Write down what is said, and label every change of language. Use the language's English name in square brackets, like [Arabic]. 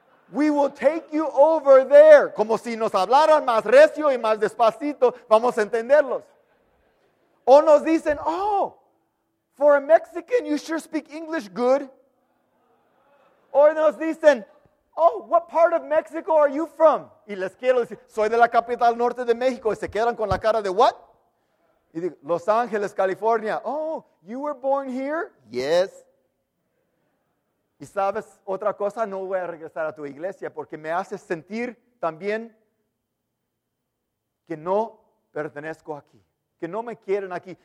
[English] We will take you over there. [Spanish] Como si nos hablaran más recio y más despacito, vamos a entenderlos. O nos dicen, [English] for a Mexican, you sure speak English good. [Spanish] O nos dicen, [English] what part of Mexico are you from? [Spanish] Y les quiero decir, soy de la capital norte de México. Y se quedan con la cara de what? Y digo, [English] Los Ángeles, California. You were born here? Yes. [Spanish] Y sabes otra cosa, no voy a regresar a tu iglesia porque me haces sentir también que no pertenezco aquí, que no me quieren aquí.